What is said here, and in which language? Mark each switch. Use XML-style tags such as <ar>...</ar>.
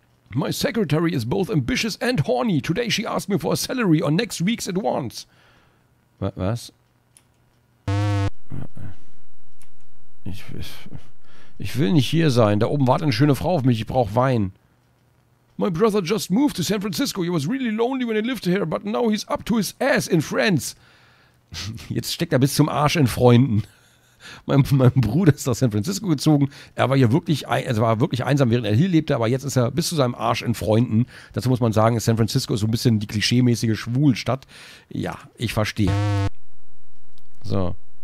<en>My secretary is both ambitious and horny. Today she asked me for a salary on next week's advance.</en> <de>Was? Ich will nicht hier sein. Da oben wartet eine schöne Frau auf mich. Ich brauche Wein.</de> <en>My brother just moved to San Francisco. He was really lonely when he lived here, but now he's up to his ass in friends.</en> <de>Jetzt steckt er bis zum Arsch in Freunden. Mein Bruder ist nach San Francisco gezogen. Er war hier wirklich, also war wirklich einsam, während er hier lebte, aber jetzt ist er bis zu seinem Arsch in Freunden. Dazu muss man sagen, San Francisco ist so ein bisschen die klischeemäßige Schwulstadt. Ja, ich verstehe. So.</de>